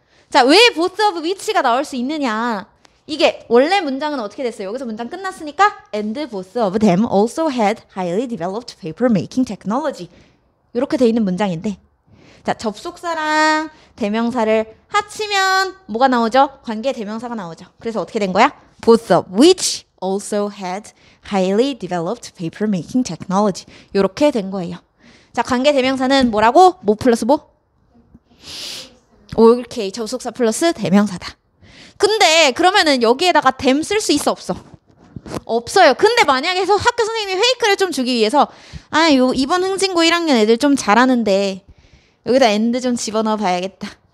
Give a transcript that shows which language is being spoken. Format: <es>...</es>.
<ko>자 왜 both of which가 나올 수 있느냐. 이게 원래 문장은 어떻게 됐어요? 여기서 문장 끝났으니까</ko> <en>and both of them also had highly developed paper making technology.</en> <ko>이렇게 돼 있는 문장인데 자 접속사랑 대명사를 합치면 뭐가 나오죠? 관계 대명사가 나오죠. 그래서 어떻게 된 거야?</ko> <en>Both of which also had highly developed paper making technology.</en> <ko>이렇게 된 거예요. 자 관계 대명사는 뭐라고? 뭐 플러스 뭐? 오케이 접속사 플러스 대명사다. 근데 그러면은 여기에다가 댐 쓸 수 있어 없어? 없어요. 근데 만약에 해서 학교 선생님이 페이크를 좀 주기 위해서 아 요 이번 흥진고 1학년 애들 좀 잘하는데 여기다 엔드 좀 집어넣어 봐야겠다.</ko>